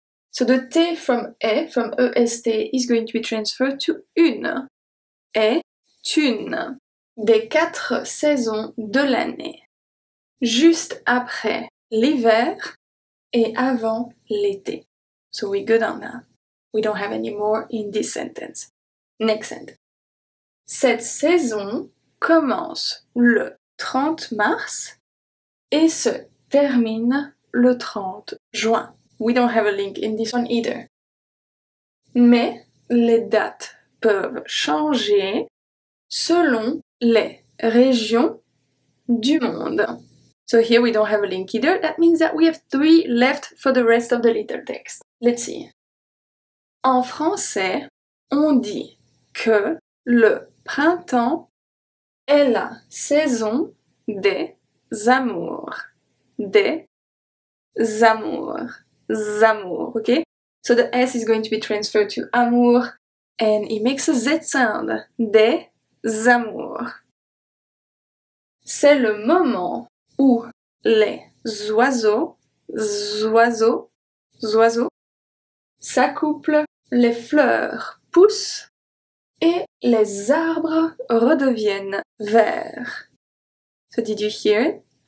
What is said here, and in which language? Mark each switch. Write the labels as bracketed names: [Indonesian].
[English] So the T from E, from EST, is going to be transferred to une. [French] Est une. Des quatre saisons de l'année. Juste après l'hiver. Et avant l'été. [English] So we're good on that. We don't have any more in this sentence. Next sentence. [French] Cette saison commence le 30 mars et se termine le 30 juin. [English] We don't have a link in this one either. [French] Mais les dates peuvent changer selon les régions du monde. [English] So here we don't have a link either. That means that we have three left for the rest of the little text. Let's see. [French] En français, on dit que le printemps est la saison des amours. Des amours. Zamour, ok? [English] So the S is going to be transferred to amour and it makes a Z sound. [French] Des amours. C'est le moment où les oiseaux, oiseaux, oiseaux, s'accouplent, les fleurs poussent et les arbres redeviennent verts. [English] So did you hear it?